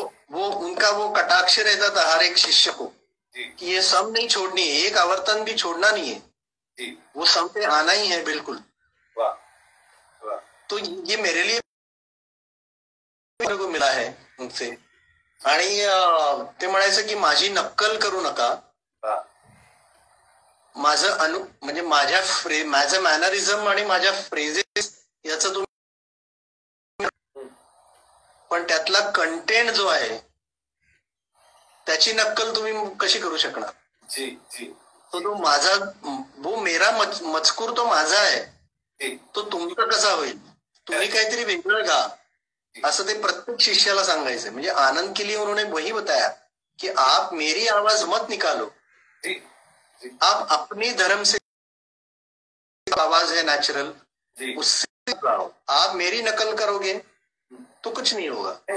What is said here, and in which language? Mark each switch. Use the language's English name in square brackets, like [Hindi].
[Hindi] वो उनका वो कटाक्ष रहता था हर एक शिष्य को कि ये सम नहीं छोड़नी है, एक आवर्तन भी छोड़ना नहीं है, वो सम पे आना ही है बिल्कुल। तो ये मेरे लिए को मिला है उनसे, [Marathi] आणि ते म्हणायचं की माझी नक्कल करू नका, माझं अनु म्हणजे माझ्या फ्रेम माझं मॅनरिझम आणि माझ्या फ्रेजेस याचं तुम्ही, पण त्यातला कंटेंट जो आहे त्याची नक्कल तुम्ही कशी करू शकणार? [Hindi] तो जी [Marathi] तो माझा [Hindi] वो मेरा [Marathi] मजकूर तो माझा आहे, तो तुमचा कसा होईल? तुम्ही काहीतरी वेगळं गा, असं ते प्रत्येक शिष्याला सांगायचं। [Hindi] म्हणजे आनंद के लिए उन्होंने वही बताया कि आप मेरी आवाज मत निकालो, आप अपने धर्म से, आवाज है नेचुरल, उससे गाओ। आप मेरी नकल करोगे तो कुछ नहीं होगा।